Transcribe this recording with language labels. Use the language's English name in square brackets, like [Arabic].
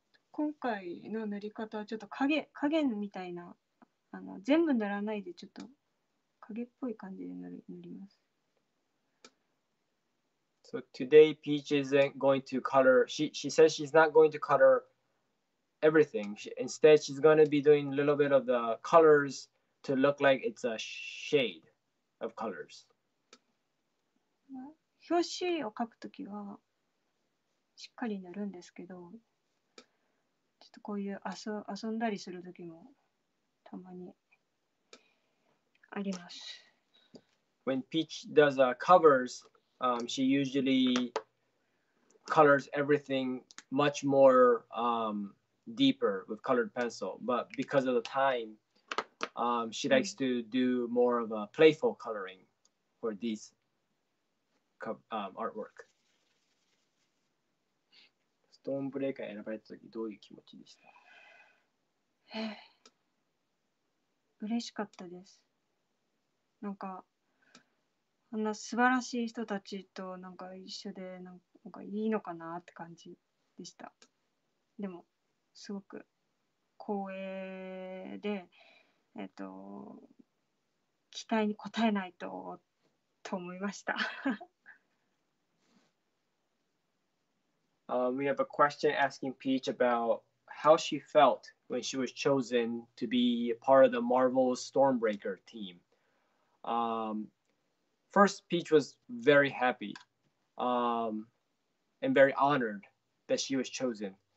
[Japanese] 今回の塗り方はちょっと影みたいな全部塗らないでちょっと影っぽい感じで塗ります。 [English] So today Peach isn't going to color. She says she's not going to color everything. Instead, she's going to be doing a little bit of the colors to look like it's a shade of colors. [Japanese] 表紙を描くときはしっかり塗るんですけど、ちょっとこういう遊んだりするときもたまにあります。 [English] When Peach does covers, she usually colors everything much more deeper with colored pencil. But because of the time, she likes to do more of a playful coloring for these artwork. [Japanese] ストーンブレーカー選ばれた時どういう気持ちでした？嬉しかったです。なんかあんな素晴らしい人たちとなんか一緒でなんかいいのかなって感じでした。でもすごく光栄で期待に応えないとと思いました。 [English] We have a question asking Peach about how she felt when she was chosen to be a part of the Marvel Stormbreaker team. First, Peach was very happy and very honored that she was chosen.